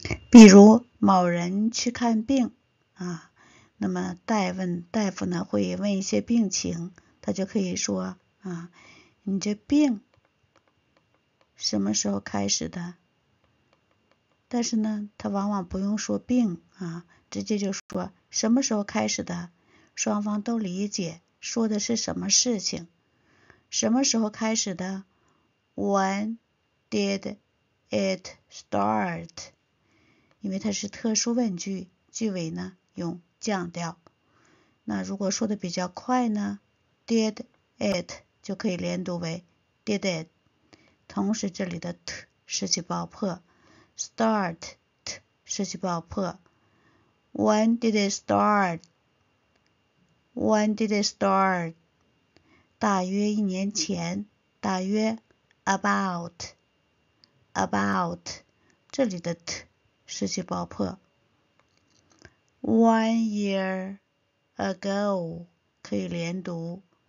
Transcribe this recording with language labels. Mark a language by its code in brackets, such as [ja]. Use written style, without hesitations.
[zh] 比如某人去看病啊，那么大夫呢会问一些病情，他就可以说啊，你这病什么时候开始的？但是呢，他往往不用说病啊，直接就说什么时候开始的，双方都理解说的是什么事情。什么时候开始的？ When did it start？因为它是特殊问句，句尾呢用降调。那如果说的比较快呢，did it 就可以连读为 did it。同时这里的 t 失去爆破，start t 失去爆破。 When did it start？ [en] When did it start? [zh] 大约一年前，大约 about 这里的 t 失去爆破。 [en] One year ago 可以连读。